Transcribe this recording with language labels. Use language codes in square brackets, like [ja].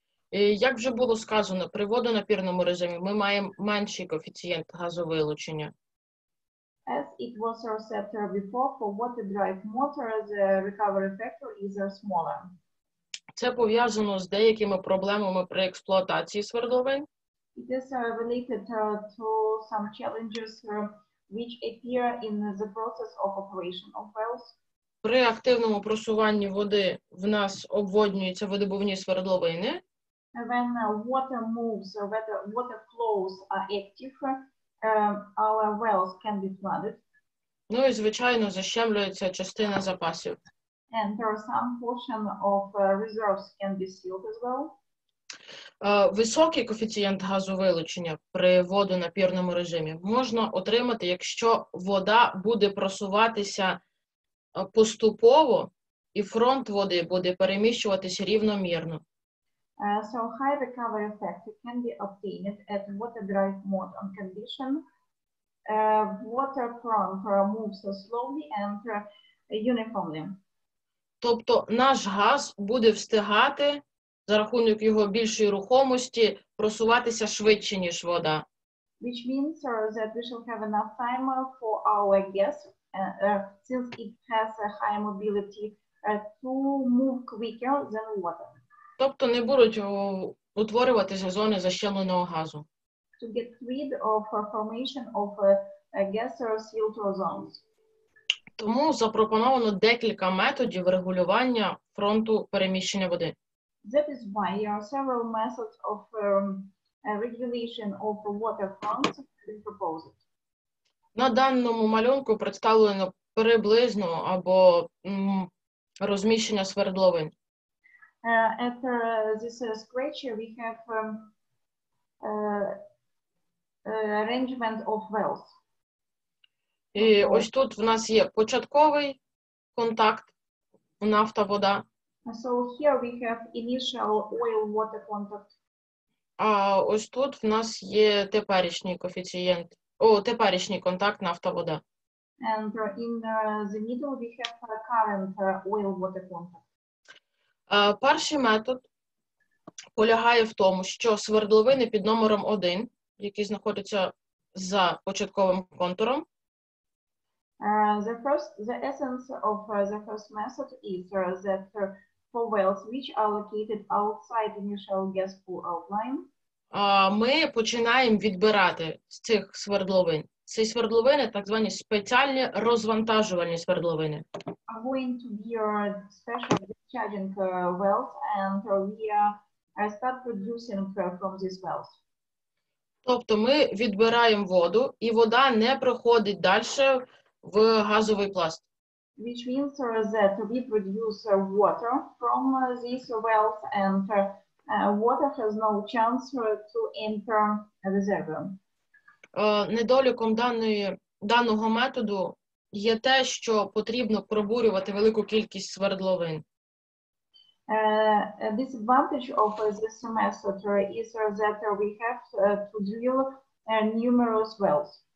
[uk] І, як вже було сказано, при водонапірному режимі ми маємо менший коефіцієнт газовилучення. [en] As it was said before, for water drive motor, the recovery factor is smaller. [uk] Це пов'язано з деякими проблемами при експлуатації свердловин. [en] It is related to some challenges which appear in the process of operation of wells. [uk] При активному просуванні води в нас обводнюються видобувні свердловини. [en] When water moves, water flows are active, our wells can be flooded. [uk] Ну і, звичайно, защемлюється частина запасів. [en] And there are some portion of reserves can be sealed as well. [uk] Високий коефіцієнт газовилучення при водонапірному режимі можна отримати, якщо вода буде просуватися поступово і фронт води буде переміщуватися рівномірно. [en] So high recovery factor can be obtained at water drive mode on condition water front moves slowly and uniformly. [uk] Тобто наш газ буде встигати за рахунок його більшої рухомості просуватися швидше, ніж вода. [en] Which means that we shall have enough time for our gas since it has a high mobility to move quicker than water. [uk] Тобто не будуть утворюватися зони защемленого газу. [en] To get rid of formation of gas or filter zones. [uk] Тому запропоновано декілька методів регулювання фронту переміщення води. [en] That is why there are several methods of regulation of water fronts been proposed. [uk] На даному малюнку представлено приблизно або розміщення свердловин. [en] At this scratch, we have arrangement of wells. [uk] І ось тут в нас є початковий контакт, нафта-вода. [en] So here we have initial oil-water contact. [uk] А ось тут в нас є теперішній коефіцієнт. Теперішній контакт, нафта-вода. [en] And in the middle we have a current oil-water contact. [uk] Перший метод полягає в тому, що свердловини під номером 1, які знаходяться за початковим контуром, [en] The essence of the first method is that for wells which are located outside initial gas pool outline, [uk] ми починаємо відбирати з цих свердловин. Ці свердловини так звані спеціальні розвантажувальні свердловини. [en] Are going to be your special discharging wells and we start producing from these wells. [uk] Тобто ми відбираємо воду, і вода не проходить далі в газовий пласт. [en] Which means that we produce water from these wells and water has no chance to enter a reservoir. [uk] Недоліком даного методу є те, що потрібно пробурювати велику кількість свердловин. [en] Disadvantage of this method is that we have to drill numerous wells.